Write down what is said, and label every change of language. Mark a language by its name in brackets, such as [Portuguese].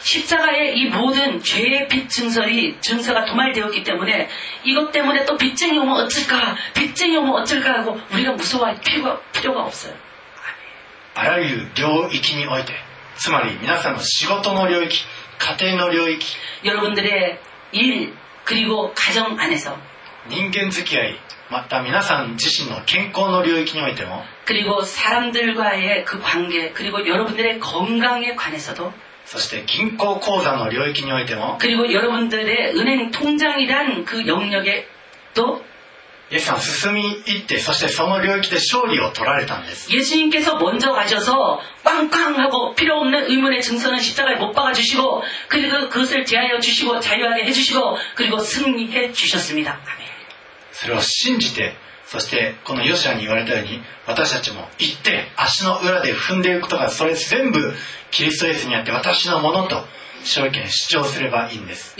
[Korean] 십자가에이모든죄의빚증서이증서가도말되었기때문에이것때문에또빚쟁이오면어쩔까빚쟁이오면어쩔까하고우리가무서워할필요가없어요 [Japanese] 아라유領域においてつまり皆さんの仕事の領域家庭の領域 [Korean] 여러분들의일그리고가정안에서 [Japanese] 人間付き合いまた皆さん自身の健康の領域においても [Korean] 그리고사람들과의그관계그리고여러분들의건강에관해서도 [Japanese] そして銀行口座の領域においても [Korean] 그리고여러분들의은행통장이란그영역에도 [Japanese] 예수님進み行ってそしてその領域で勝利を取られたんです [Korean] 예수님께서먼저가셔서꽝꽝하고필요없는의문의증서는십자가에못박아주시고그리고그것을제하여주시고자유하게해주시고그리고승리해주셨습니다아멘 [Japanese] それを信じてそしてこのヨシアに言われたように私たちも行って足の裏で踏んでいくことがそれ全部キリストイエスにあって私のものと証言主張すればいいんです